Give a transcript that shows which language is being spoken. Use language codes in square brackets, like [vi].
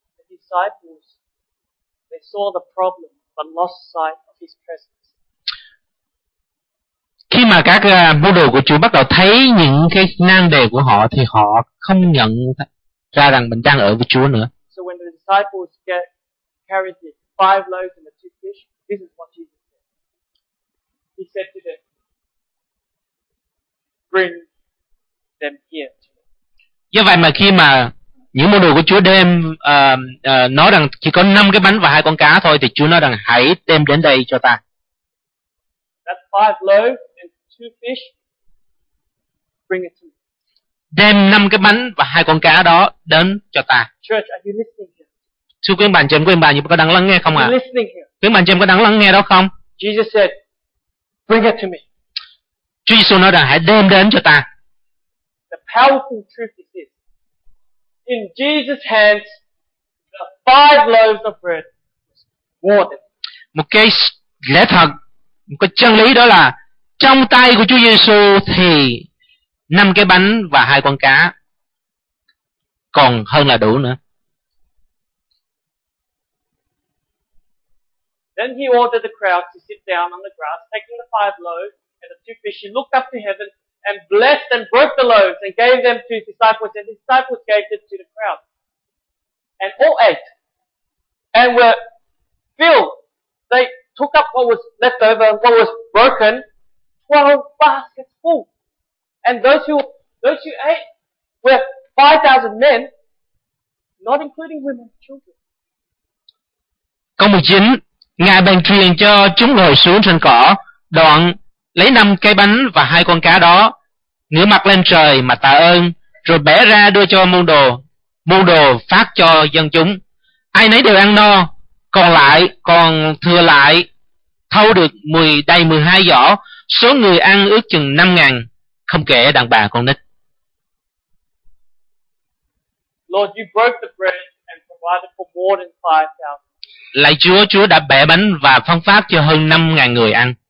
[en] Disciples, they saw the problem but lost sight of his presence. [vi] Khi mà các môn đồ của Chúa bắt đầu thấy những cái nan đề của họ thì họ không nhận ra rằng mình đang ở với Chúa nữa. [en] So when the disciples get carried the 5 loaves and the 2 fish, this is what Jesus said. He said to them, "Bring them here to me." [vi] Do vậy mà khi mà những môn đồ của Chúa đem nói rằng chỉ có 5 cái bánh và 2 con cá thôi thì Chúa nói rằng hãy đem đến đây cho ta. [en] That 5 loaves and 2 fish, bring it to me. [vi] Đem 5 cái bánh và 2 con cá đó đến cho ta. [en] Church, are you listening here? [vi] Thưa quý bạn, chém quý bạn, chúng có đang lắng nghe không ạ? Quý bạn chém có đang lắng nghe đó không? [en] Jesus said, bring it to me. [vi] Chúa Giêsu nói rằng hãy đem đến cho ta. [en] The powerful truth is this. In Jesus' hands, the 5 loaves of bread was more than. [vi] Một cái lẽ thật, một cái chân lý đó là trong tay của Chúa Giêsu thì 5 cái bánh và 2 con cá còn hơn là đủ nữa. [en] Then he ordered the crowd to sit down on the grass, taking the 5 loaves and the 2 fish. He looked up to heaven and blessed and broke the loaves and gave them to his disciples, and the disciples gave them to the crowd, and all ate and were filled. They took up what was left over, what was broken, 12 baskets full, and those who ate were 5,000 men, not including women and children. [vi] Câu 19, Ngài bèn truyền cho chúng ngồi xuống trên cỏ, đoạn lấy 5 cái bánh và 2 con cá đó, ngửa mặt lên trời mà tạ ơn, rồi bẻ ra đưa cho môn đồ phát cho dân chúng. Ai nấy đều ăn no, còn thừa lại thâu được đầy 12 giỏ. Số người ăn ước chừng 5,000, không kể đàn bà con nít. [en] Lord, you broke the bread and provided for more than 5,000. [vi] Lạy Chúa, Chúa đã bẻ bánh và phân phát cho hơn 5,000 người ăn.